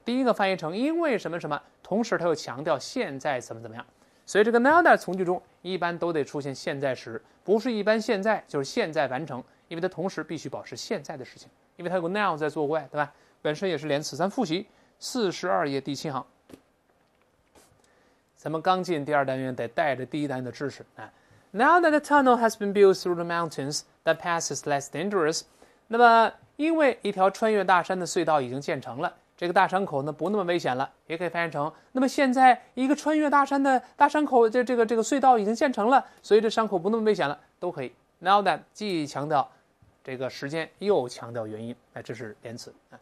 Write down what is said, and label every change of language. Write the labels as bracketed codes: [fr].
[zh] 第一个翻译成因为什么什么，同时它又强调现在怎么怎么样，所以这个 now that 从句中一般都得出现现在时，不是一般现在就是现在完成，因为它同时必须保持现在的事情，因为它有个 now 在作怪，对吧？本身也是连词。咱复习42页第7行，咱们刚进第二单元得带着第一单元的知识啊。 [en] Now that the tunnel has been built through the mountains, that pass is less dangerous. [zh] 那么因为一条穿越大山的隧道已经建成了，这个大山口呢不那么危险了，也可以翻译成那么现在一个穿越大山的大山口，这个隧道已经建成了，所以这山口不那么危险了，都可以。 Now that 既强调这个时间又强调原因，那这是连词。